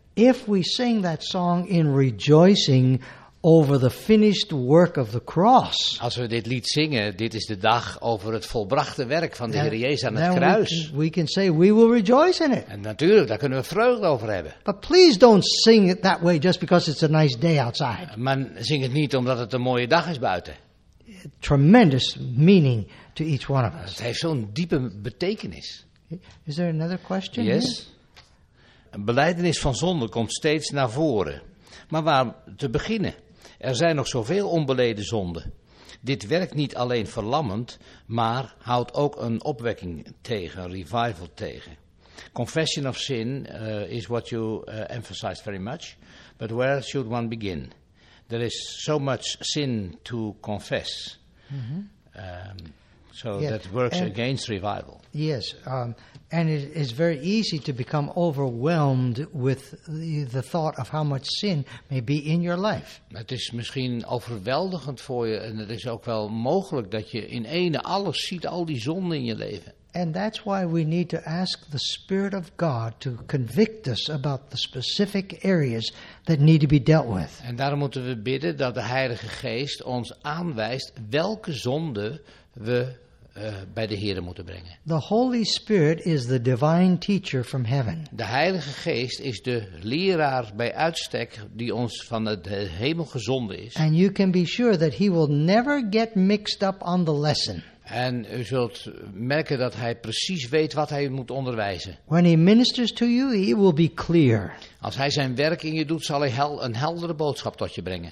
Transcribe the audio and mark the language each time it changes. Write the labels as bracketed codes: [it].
[en] If we sing that song in rejoicing over the finished work of the cross. [nl] Als we dit lied zingen, dit is de dag over het volbrachte werk van de Heer Jezus aan het kruis. [en] We can say we will rejoice in it. [nl] En natuurlijk, daar kunnen we vreugde over hebben. [en] But please don't sing it that way just because it's a nice day outside. [nl] Maar zing het niet omdat het een mooie dag is buiten. [en] Tremendous meaning to each one of us. [nl] Het heeft zo'n diepe betekenis. [en] Is there another question? Yes. Here? [nl] Een belijdenis van zonde komt steeds naar voren. Maar waar te beginnen? Er zijn nog zoveel onbeleden zonden. Dit werkt niet alleen verlammend, maar houdt ook een opwekking tegen, een revival tegen. [en] Confession of sin is what you emphasized very much, but where should one begin? There is so much sin to confess, that works against revival. Yes, and it is very easy to become overwhelmed with the thought of how much sin may be in your life. [nl] Het is misschien overweldigend voor je, en het is ook wel mogelijk dat je in ene alles ziet, al die zonden in je leven. [en] And that's why we need to ask the Spirit of God to convict us about the specific areas that need to be dealt with. [nl] En daarom moeten we bidden dat de Heilige Geest ons aanwijst welke zonde we bij de Heer moeten brengen. [en] The Holy Spirit is the divine teacher from heaven. [nl] De Heilige Geest is de leraar bij uitstek die ons van het hemel gezonden is. [en] And you can be sure that he will never get mixed up on the lesson. [nl] En u zult merken dat hij precies weet wat hij moet onderwijzen. [en] When he ministers to you, he will be clear. [nl] Als hij zijn werk in je doet, zal hij een heldere boodschap tot je brengen.